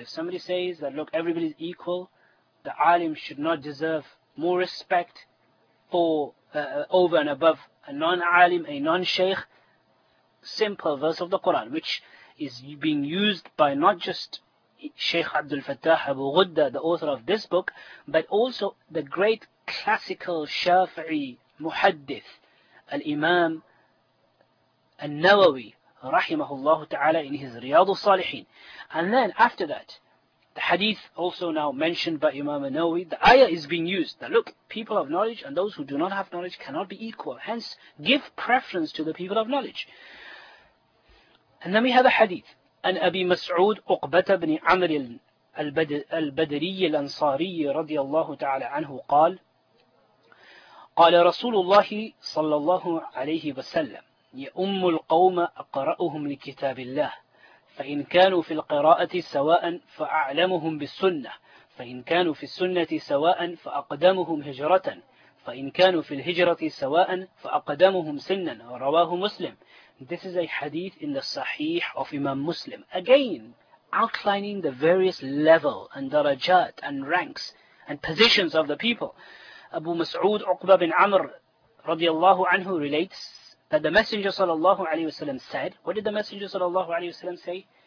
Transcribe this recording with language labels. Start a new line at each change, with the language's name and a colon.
English: If somebody says that, look, everybody is equal, the alim should not deserve more respect for over and above a non-alim, a non-shaykh, simple verse of the Quran, which is being used by not just Shaykh Abdul Fattah Abu Ghudda, the author of this book, but also the great classical Shafi'i muhaddith, Al-Imam Al-Nawawi, rahimahullah ta'ala, in his Riyadu Salihin. And then after that, the hadith also now mentioned by Imam Al-Nawawi, the ayah is being used, that look, people of knowledge and those who do not have knowledge cannot be equal, hence give preference to the people of knowledge. And then we have a hadith,
Arabic: أن أبي مسعود عقبة بن عمرو البدري الأنصاري رضي الله تعالى عنه قال قال رسول الله صلى الله عليه وسلم يؤم القوم أقرأهم لكتاب الله فإن كانوا في القراءة سواء فأعلمهم بالسنة فإن كانوا في السنة سواء فأقدمهم هجرة فإن كانوا في الهجرة سواء فأقدمهم سنا رواه مسلم.
English: This is a hadith in the Sahih of Imam Muslim. Again, outlining the various level and darajat and ranks and positions of the people. Abu Mas'ud Uqba bin Amr radiallahu anhu relates that the Messenger sallallahu alayhi wasallam said, what did the Messenger sallallahu alayhi wasallam say?